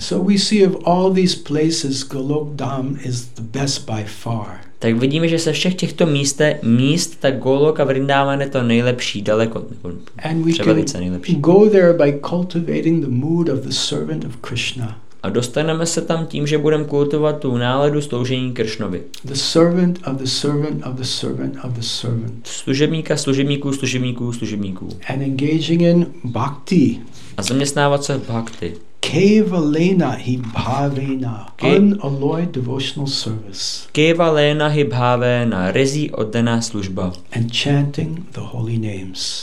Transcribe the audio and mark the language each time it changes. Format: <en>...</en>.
<en>So we see of all these places Golok Dham is the best by far.</en> <cs>Tak vidíme, že se všech těchto míst tak Golok a Vrindavan je to nejlepší, daleko.</cs> <en>And we can go there by cultivating the mood of the servant of Krishna.</en> <cs>a dostaneme se tam tím, že budeme kultivovat tu náladu sloužení Kršnovi.</cs> <en>The servant of the servant of the servant of the servant.</en> <cs>Služebníka služebníků služebníků služebníků.</cs> <en>And engaging in bhakti.</en> <cs>A zaměstnávat se v bhakti.</cs> <sa>Kevalena hi bhavena,</sa> <en>unalloyed devotional service.</en> <sa>Kevalena hi bhavena,</sa> <cs>rezí oddaná služba.</cs> <en>And chanting the holy names.</en>